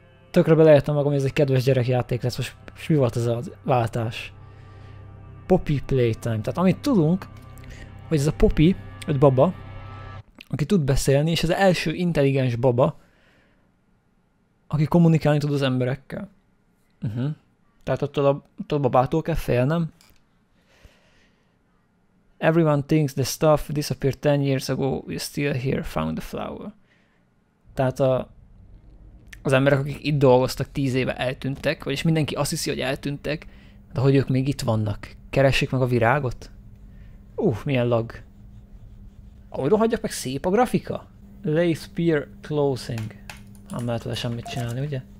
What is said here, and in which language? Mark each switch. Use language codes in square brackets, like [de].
[hu] Tökre beleértem magam, hogy ez egy kedves gyerekjáték lesz. Most mi volt ez a váltás? Poppy Playtime. Tehát amit tudunk, hogy ez a Poppy, vagy baba, aki tud beszélni, és ez az első intelligens baba, aki kommunikálni tud az emberekkel. Uh-huh. Tehát attól a babától kell félnem. [en] Everyone thinks the stuff disappeared 10 years ago, we still here, found the flower. [hu] Tehát az emberek, akik itt dolgoztak 10 éve, eltűntek, vagyis mindenki azt hiszi, hogy eltűntek, de hogy ők még itt vannak. Keressék meg a virágot? Milyen lag. Ahogy rohagyja meg, szép a grafika. [en] Lay spear closing. [hu] Nem lehet vele semmit csinálni, ugye?